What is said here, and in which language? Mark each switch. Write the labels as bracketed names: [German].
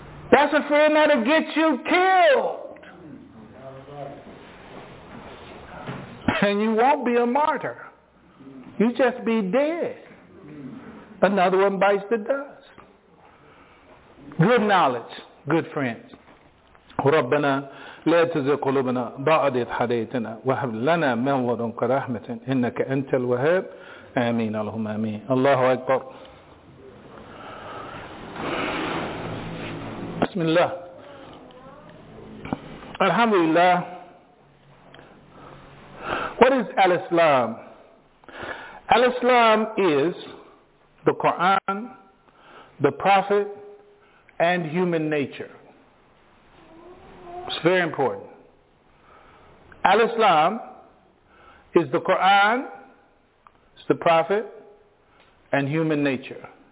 [English] That's a friend that'll get you killed. And you won't be a martyr. You just be dead. Another one bites the dust. Good knowledge, good friends. [Arabic] ربنا لا تزغ قلوبنا بعد إذ هديتنا وهب لنا من لدنك رحمة إنك أنت الوهاب آمين اللهم آمين الله أكبر بسم الله الحمد لله [English] What is Al-Islam? Al-Islam is the Quran, the Prophet, and human nature. It's very important. Al-Islam is the Quran, it's the Prophet, and human nature.